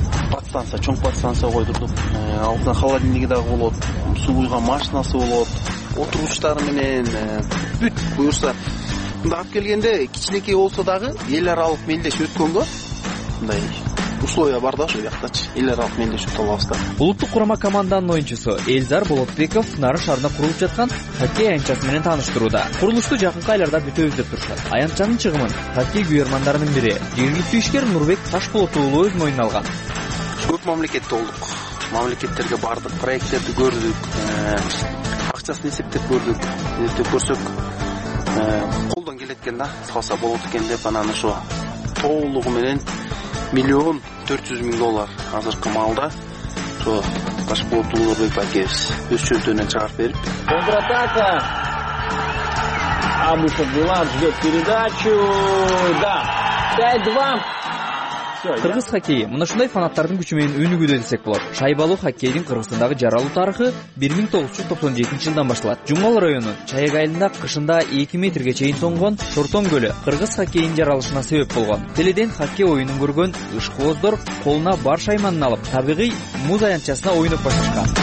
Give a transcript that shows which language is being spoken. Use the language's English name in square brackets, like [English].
[Kyrgyz] Подстанция, чоң подстанция койдурдук. Алдында холодильниги дагы болот, суу куйган машинасы болот. Отуруучтар менен бүт буюрса мында алып келгенде кичинекей болсо дагы эл аралык мелдешүү өткөнгө мындай условия бар да ошо жактачы эл аралык мелдешүүдө алабыз да. Улуттук курама команданын оюнчусу Элзар Болотбеков Нары шаарында курулуп жаткан хоккей аянтчасы менен тааныштырууда. Курулушту жакынкы айларда бүтөбүз деп турушат. Аянтчанын чыгымын хоккей күйөрмандарынын бири жергиликтүү ишкер Нурбек Ташболот уулу өз моюнуна алган. Көп мамлекетте болдук, мамлекеттерге бардык, проекттерди көрдүк, акчасын эсептеп көрдүк. Эртеп көрсөк колдон келет экен да, салса болот экен деп анан ошо толугу менен $1,400,000 азыркы маалда ошо Ташболот Улубек акебиз өз чөнтөгүнөн чыгарып берип. [Russian] Контратака. Абушев Булат ждет передачу. Да. 5-2. [Kyrgyz] Кыргыз хоккейи мына ушундай фанаттардын күчү менен өнүгүүдө десек болот. Шайбалуу хоккейдин Кыргызстандагы жаралуу тарыхы 1997-жылдан башталат. Жумгал району Чайек айылында кышында 2 метрге чейин тоңгон Шортон көлү кыргыз хоккейинин жаралышына себеп болгон. Теледен хоккей оюнун көргөн ышкооздор колуна бар шайманын алып, табигый муз аянтчасына ойноп башташкан.